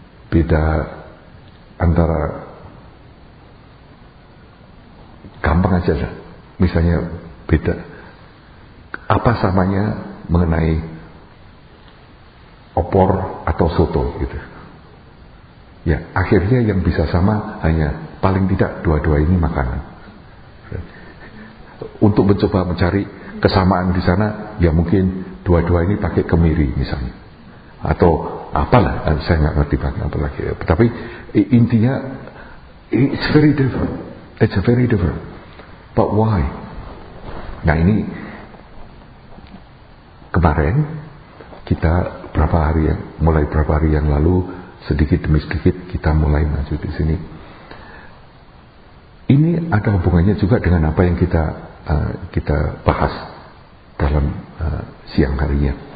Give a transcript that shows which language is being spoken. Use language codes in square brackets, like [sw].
[id] beda antara, gampang aja lah, misalnya beda apa samanya mengenai opor atau soto gitu ya, akhirnya yang bisa sama hanya paling tidak dua-dua ini makanan. Untuk mencoba mencari kesamaan di sana, ya mungkin dua-dua ini pakai kemiri misalnya, atau apalah, saya nggak ngerti banget apalagi. Tapi intinya, [en] it's very different. It's very different. But why? [id] Nah ini kemarin kita berapa hari yang lalu sedikit demi sedikit kita mulai maju di sini. Ini ada hubungannya juga dengan apa yang kita bahas dalam siang harinya.